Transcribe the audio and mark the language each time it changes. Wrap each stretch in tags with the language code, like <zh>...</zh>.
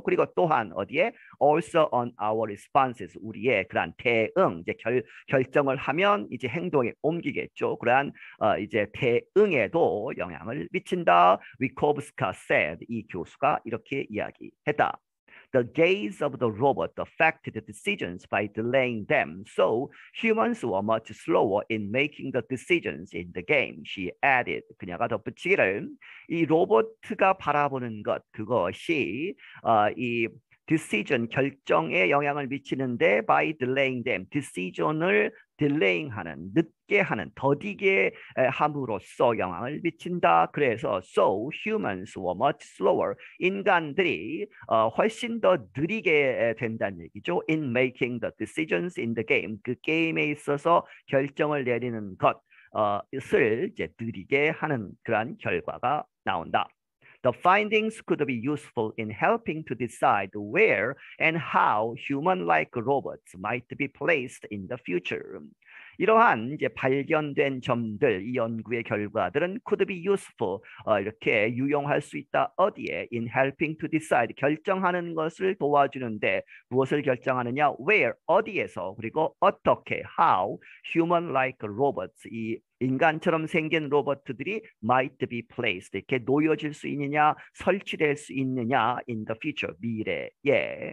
<ko>그리고 또한 어디에</ko> <en>also on our responses</en> <ko>우리의 그러한 대응 이제 결정을 하면 이제 행동에 옮기겠죠. 그러한 이제 대응에도 영향을 미친다. 위코브스카 said 이 교수가 이렇게 이야기했다.</ko> <en>The gaze of the robot affected the decisions by delaying them. So humans were much slower in making the decisions in the game. She added,</en> <ko>그녀가 덧붙이기를, 이 로봇가 바라보는 것, 그것이 이 decision, 결정에 영향을 미치는데</ko> <en>by delaying them,</en> <ko>decision을 delaying 하는, 늦게 하는, 더디게 함으로써 영향을 미친다. 그래서</ko> <en>so humans were much slower.</en> <ko>인간들이 훨씬 더 느리게 된다는 얘기죠.</ko> <en>In making the decisions in the game.</en> <ko>그 게임에 있어서 결정을 내리는 것을 이제 느리게 하는 그런 결과가 나온다.</ko> <en>The findings could be useful in helping to decide where and how human-like robots might be placed in the future.</en> <ko>이러한 이제 발견된 점들, 이 연구의 결과들은</ko> <en>could be useful,</en> <ko>이렇게 유용할 수 있다 어디에</ko> <en>in helping to decide,</en> <ko>결정하는 것을 도와주는데 무엇을 결정하느냐, where, 어디에서, 그리고 어떻게, how,</ko> <en>human-like robots,</en> <ko>이 인간처럼 생긴 로봇들이</ko> <en>might be placed,</en> <ko>이렇게 놓여질 수 있느냐, 설치될 수 있느냐</ko> <en>in the future,</en> <ko>미래에.</ko>